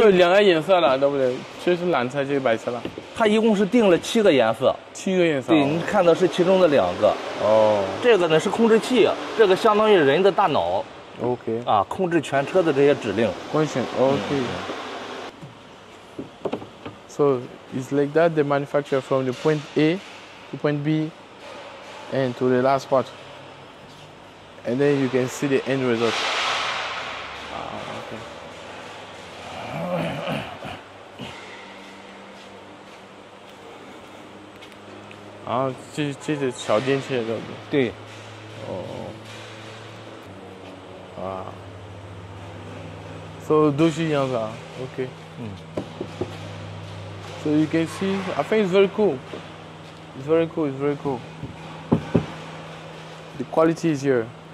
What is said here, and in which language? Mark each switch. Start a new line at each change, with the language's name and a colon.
Chinese: 就有两个颜色了，对不对？这是蓝色，这是白色了。它一共是定了七个颜色，七个颜色。对，你看到是其中的两个。哦，这个呢是控制器，这个相当于人的大脑。
English: OK。
Chinese: 啊，控制全车的这些指令。关键。OK、嗯。
English: So it's like that. They manufacture from the point A to point B, and to the last part. And then you can see the end result.
Chinese: 啊，这是小电器的，对，哦，啊，所以都是一样的 ，OK，嗯
English: ，So you can see, I think it's very cool, it's very cool, it's very cool. The quality is here.